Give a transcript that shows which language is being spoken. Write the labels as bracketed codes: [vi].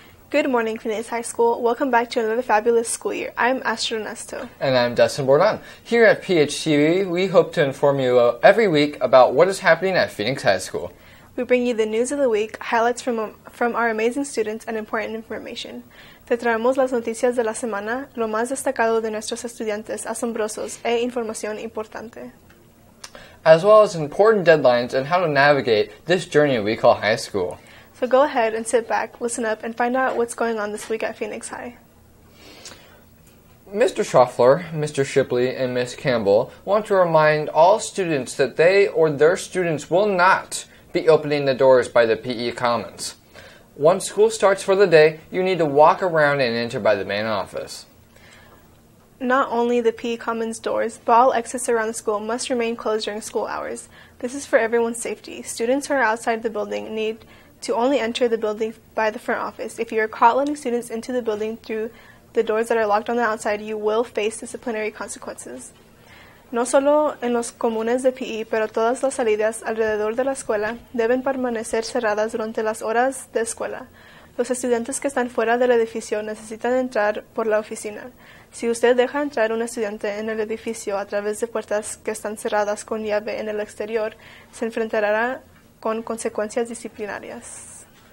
[en] Good morning, Phoenix High School. Welcome back to another fabulous school year. I'm Astro Nesto. And I'm Dustin Bourdon. Here at PHTV, we hope to inform you every week about what is happening at Phoenix High School. We bring you the news of the week, highlights from our amazing students, and important information. [es] Te traemos las noticias de la semana, lo más destacado de nuestros estudiantes asombrosos e información importante. [en] As well as important deadlines and how to navigate this journey we call high school. So go ahead and sit back, listen up, and find out what's going on this week at Phoenix High. Mr. Schaffler, Mr. Shipley, and Ms. Campbell want to remind all students that they or their students will not be opening the doors by the PE Commons. Once school starts for the day, you need to walk around and enter by the main office. Not only the PE Commons doors, but all exits around the school must remain closed during school hours. This is for everyone's safety. Students who are outside the building need to only enter the building by the front office. If you are caught letting students into the building through the doors that are locked on the outside, you will face disciplinary consequences. [es] No solo en los comunes de PE, pero todas las salidas alrededor de la escuela deben permanecer cerradas durante las horas de escuela. Los estudiantes que están fuera del edificio necesitan entrar por la oficina. Si usted deja entrar un estudiante en el edificio a través de puertas que están cerradas con llave en el exterior, se enfrentará a con consecuencias disciplinarias.